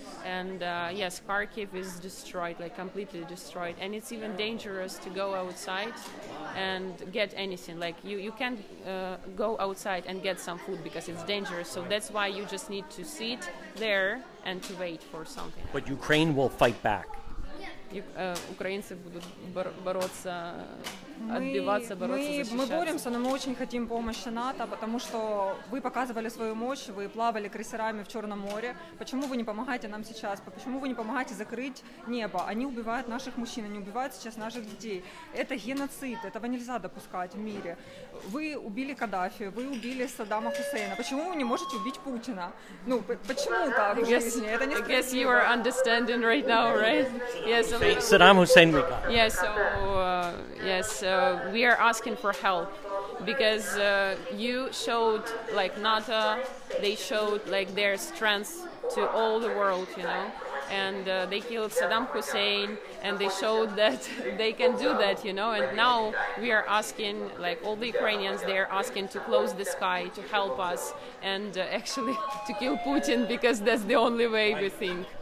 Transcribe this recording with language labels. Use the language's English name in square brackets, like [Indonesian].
[English] And yes, Kharkiv is destroyed, like completely destroyed, and it's even dangerous to go outside and get anything. Like you can't go outside and get some food because it's dangerous. So that's why you just need to sit there and to wait for something. But Ukraine will fight back. [Russian] Украинцы будут бороться, отбиваться, бороться, защищаться. Мы боремся, но мы очень хотим помощи НАТО, потому что вы показывали свою мощь, вы плавали крейсерами в Черном море. Почему вы не помогаете нам сейчас? Почему вы не помогаете закрыть небо? Они убивают наших мужчин, они убивают сейчас наших детей. Это геноцид, этого нельзя допускать в мире. Вы убили Каддафи, вы убили Саддама Хусейна. Почему вы не можете убить Путина? Ну, почему так в жизни? Это несправедливо. [English] I guess you are understanding right now, right? Yes, Saddam Hussein, we got. Yes, so we are asking for help because you showed like NATO, they showed like their strength to all the world, you know, and they killed Saddam Hussein and they showed that they can do that, you know, and now we are asking like all the Ukrainians, they are asking to close the sky to help us and actually to kill Putin because that's the only way we think.